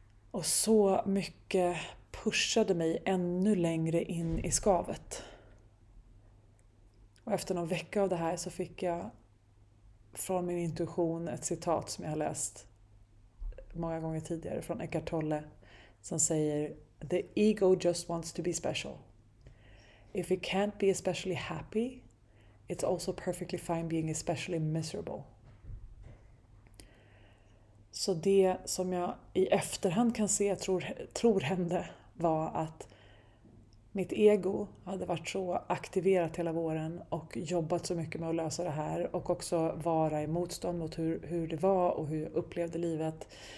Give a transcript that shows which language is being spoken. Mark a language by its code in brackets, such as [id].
[sv] Och så mycket pushade mig ännu längre in i skavet. Och efter någon vecka av det här så fick jag från min intuition ett citat som jag har läst många gånger tidigare från Eckhart Tolle som säger [en] "The ego just wants to be special. If it can't be especially happy, it's also perfectly fine being especially miserable." [sv] Så det som jag i efterhand kan se tror hände var att mitt ego hade varit så aktiverat hela våren och jobbat så mycket med att lösa det här och också vara i motstånd mot hur det var och hur jag upplevde livet.